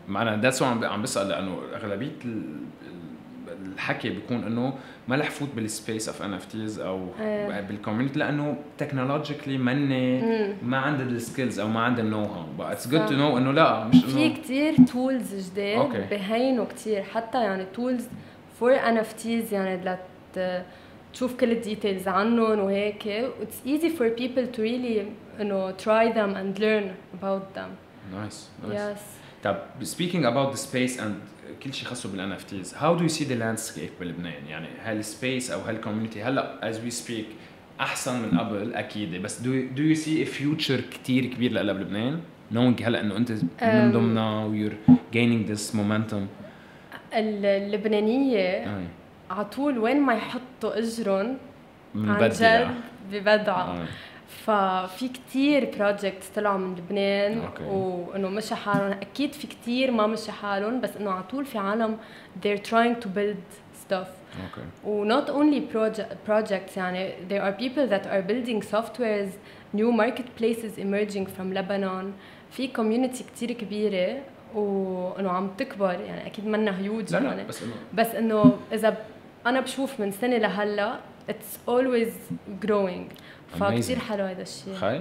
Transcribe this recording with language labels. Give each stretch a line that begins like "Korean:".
Arabic: معناه ده سو عم بسال لانه اغلبيه الحكي بيكون انه ما رح فوت بالسبيس اوف ان اف تيز او بالكوميونتي لانه تكنولوجيكلي مني ما عندي السكيلز او ما عندي النو هاو بس
English: it's good to know
Arabic: انه لا مش في كثير تولز جديد
English: okay.
Arabic: بهينه كثير حتى يعني تولز فور ان اف تيز يعني لت تشوف كل الديتيلز عنهم وهيك.
English: It's easy for people to really, you know, try them and learn about them. Nice. Yes. طب speaking about the space and
Arabic: كل شيء خاصه بالان اف تيز,
English: how do you see the landscape بلبنان؟ يعني هل space او هل community هلا as we speak
Arabic: احسن من قبل اكيد,
English: بس do you see a future
Arabic: كثير كبير لقلب لبنان
English: knowing
Arabic: هلا انه انت من ضمن
English: you're gaining this momentum؟
Arabic: اللبنانيه على طول وين ما يحطوا اجرهم بتبدع ببدع. ففي كتير بروجكت طلعوا من لبنان وانه مشي حالهم, اكيد في كتير ما مشي حالهم, بس انه على طول في عالم
English: they're trying to build stuff. Okay. ونوت only projects,
Arabic: يعني
English: there are people that are building softwares, new marketplaces emerging from Lebanon.
Arabic: في community كتير كبيرة وانه عم تكبر, يعني اكيد منا هيوج يعني, بس انه اذا انا بشوف من سنة لهلا
English: it's always growing.
Arabic: فكتير حلو هذا الشيء.